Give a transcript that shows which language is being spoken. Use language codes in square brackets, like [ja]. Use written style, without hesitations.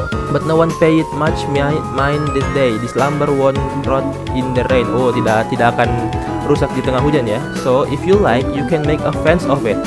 [en] But no one paid much mind this day. This lumber won't rot in the rain. [id] Oh, tidak akan rusak di tengah hujan ya. [en] So if you like, you can make a fence of it.